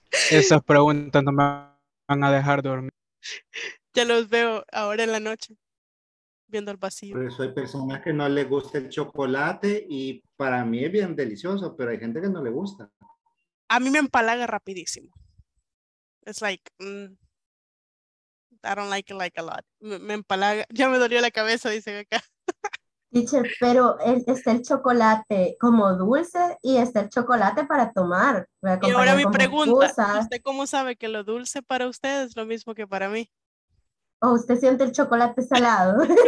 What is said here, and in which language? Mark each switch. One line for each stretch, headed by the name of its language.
Spanish: Esas preguntas no me van a dejar dormir. Ya los veo ahora en la noche, viendo el vacío. Por eso hay personas que no les gusta el chocolate y para mí es bien delicioso, pero hay gente que no le gusta. A mí me empalaga rapidísimo.
English: It's like, I don't like it like a lot.
Spanish: Me empalaga, ya me dolió la cabeza, dice acá. Teacher, pero está el chocolate como dulce y está el chocolate para tomar. Y ahora mi pregunta, ¿usted cómo sabe que lo dulce para usted es lo mismo que para mí? ¿O usted siente el chocolate salado?